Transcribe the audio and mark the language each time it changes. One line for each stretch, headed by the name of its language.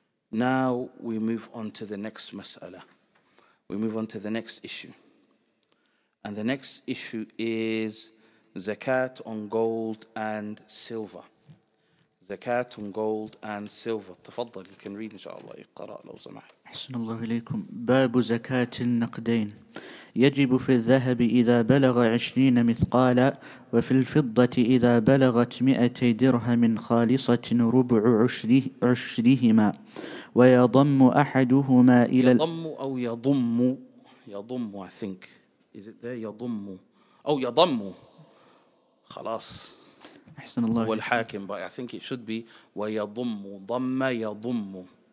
English: Now we move on to the next mas'ala. We move on to the next issue. And the next issue is zakat on gold and silver. Zakat on gold and silver. Tafaddal, you can read inshallah.
Arabic: Iqra' law samah. أحسن الله إليكم. باب زكاة النقدين. يجب في الذهب إذا بلغ 20 مثقالا وفي الفضة إذا بلغت 200 درهم خالصة ربع عشرهما ويضم أحدهما إلى يضم أو يضم يضم
English: I think is it there
Arabic: يضم أو يضم خلاص أحسن الله والحاكم
English: but I think it should be
Arabic: ويضم ضم يضم.